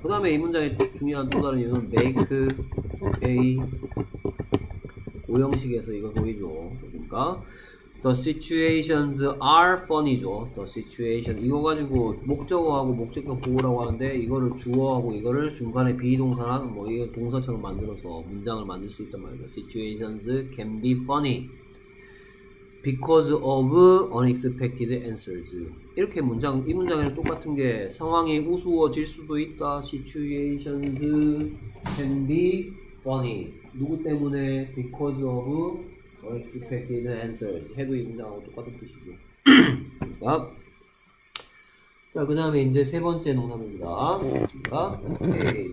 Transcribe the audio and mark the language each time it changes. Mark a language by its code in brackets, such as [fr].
[ko] 그 다음에 이 문장의 중요한 또 다른 이유는 make a 오형식에서 이거 보이죠. [en] 그러니까 the situations are funny죠. [ko] the situation 이거 가지고 목적어하고 목적격 보호라고 하는데 이거를 주어하고 이거를 중간에 비동사랑 뭐 이거 동사처럼 만들어서 문장을 만들 수 있단 말이죠. [en] situations can be funny because of unexpected answers. [ko] 이렇게 문장 이 문장에는 똑같은 게 상황이 우스워질 수도 있다. [en] situations can be funny [ko] 누구 때문에? [en] Because of unexpected answers. [ko] 해도 이 문장하고 똑같은 뜻이죠. 자, 그 다음에 이제 세 번째 농담입니다. 그렇습니까? 오케이.